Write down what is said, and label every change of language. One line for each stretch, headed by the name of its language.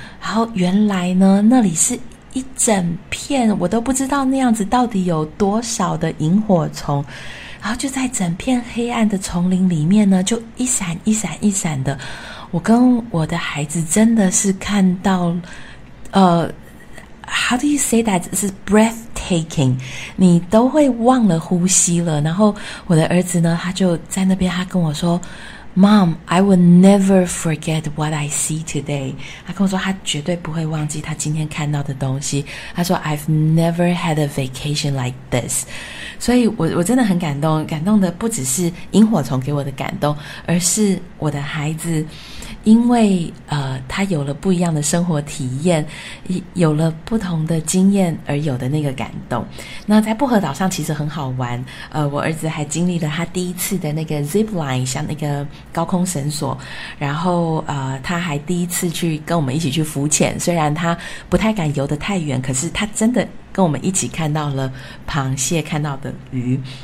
Chinese: 然后原来呢，那里是一整片，我都不知道那样子到底有多少的萤火虫。然后就在整片黑暗的丛林里面呢，就一闪一闪一闪的。我跟我的孩子真的是看到，
English: How do you say that? It's breathtaking.
Chinese: 你都会忘了呼吸了。然后我的儿子呢，他就在那边，他跟我说
English: Mom, I will never forget what I see today.
Chinese: 他跟我说他绝对不会忘记他今天看到的东西。他说
English: I've never had a vacation like this.
Chinese: 所以我真的很感动，感动的不只是萤火虫给我的感动，而是我的孩子因为他有了不一样的生活体验，有了不同的经验而有的那个感动。那在薄荷岛上其实很好玩，我儿子还经历了他第一次的那个 zip line， 像那个高空绳索，然后他还第一次去跟我们一起去浮潜，虽然他不太敢游得太远，可是他真的跟我们一起看到了螃蟹，看到的鱼。